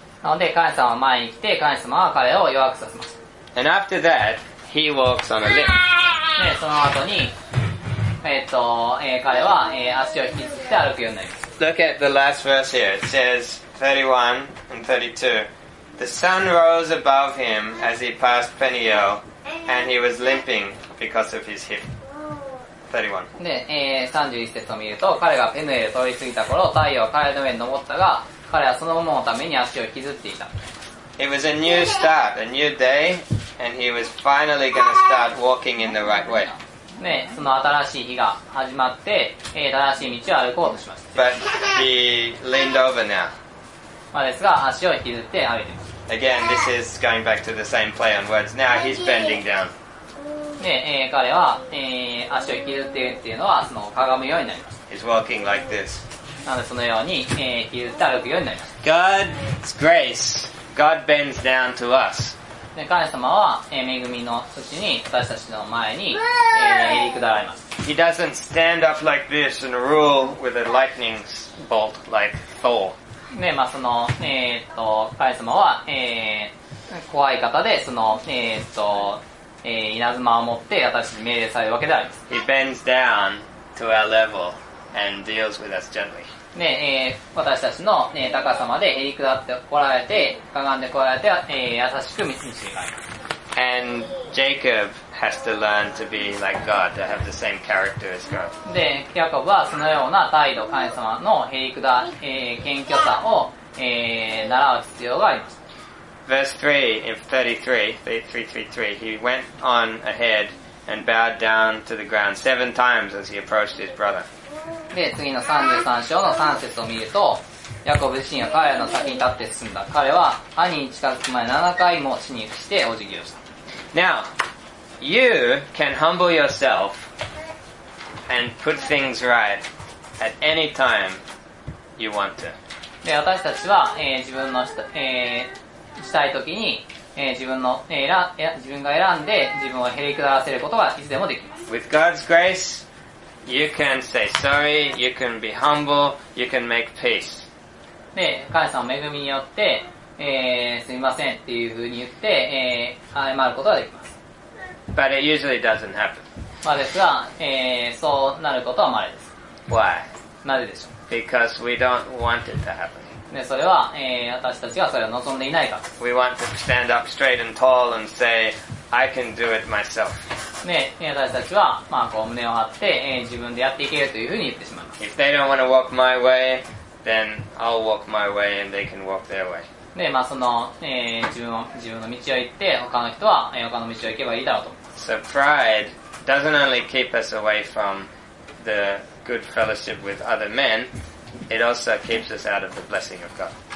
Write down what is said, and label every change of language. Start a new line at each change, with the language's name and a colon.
Japanese: なので、神様は前に来て、神様は彼を弱くさせます。
English: And after that, he walks on a limb.
Japanese: で、その後に、彼は、足を引きつって歩くようになります。
English: Look at the last verse here. It says 31 and 32. The sun rose above him as he passed Peniel, and he was limping because of his hip.
Japanese: 31で、31節を見ると彼がペヌエル通り過ぎた頃太陽は彼の上に登ったが彼はそのもののために足を引きずっていた。
English: It was a new start, a new day, and he was finally going to start walking in the right way.
Japanese: で、その新しい日が始まって、正しい道を歩こうとしました。
English: But he leaned over now.
Japanese: まあですが足を引きずって歩いています。
English: Again, this is going back to the same play on words. Now he's bending down.
Japanese: で、彼は、足を引きずっているっていうのはそのかがむようになります。
English: He's walking like this.
Japanese: なのでそのように、引きずって歩くようになります。
English: God's grace, God bends down to us.
Japanese: で、神様は、恵みのうちに私たちの前に、入り下られます。
English: He doesn't stand up like this and rule with a lightning bolt like Thor.
Japanese: で、まあ、その、神様は、怖い方で、その、稲妻を持って私たちに命令されるわけではありません。
English: He bends down to our level and deals with us gently.
Japanese: ね、私たちの、ね、高さまでへり下って来られて、かがんで来られて、優しく導いてくれる。
English: And Jacob has to learn to be like God, to have the same character as God.
Japanese: で、ヤコブはそのような態度、神様のへり下、謙虚さを、習う必要があります。
English: Verse 3, in 33, he went on ahead and bowed down to the ground seven times as he approached his brother.
Japanese: で、次の33章の3節を見ると、ヤコブ自身は彼の先に立って進んだ。彼は兄に近づく前7回も死に伏してお辞儀をした。
English: Now, you can humble yourself and put things right at any time you want to.
Japanese: で、私たちは、自分の人、したい時に、自分の、自分が選んで自分をへり下らせることはいつでもできます。
English: With God's grace, you can say sorry, you can be humble, you can make peace.
Japanese: で、神様の恵みによって、すみませんっていうふうに言って、謝ることができます。
English: But it usually doesn't happen.
Japanese: まあですが、そうなることはまれです。
English: Why?
Japanese: なぜでしょう。
English: Because we don't want it to happen.
Japanese: でそれは、私たちはそれを望んでいないか。
English: We want to stand up straight and tall and say, I can do it myself.
Japanese: ね、私たちは、まあ、こう胸を張って、自分でやっていけるというふうに言ってしまいます。
English: If they don't want to walk my way, then I'll walk my way and they can walk their way.
Japanese: ね、まあ、その、自分の道を行って、他の人は、他の道を行けばいいだろうと。
English: So pride doesn't only keep us away from the good fellowship with other men,It also keeps us out of the blessing of God.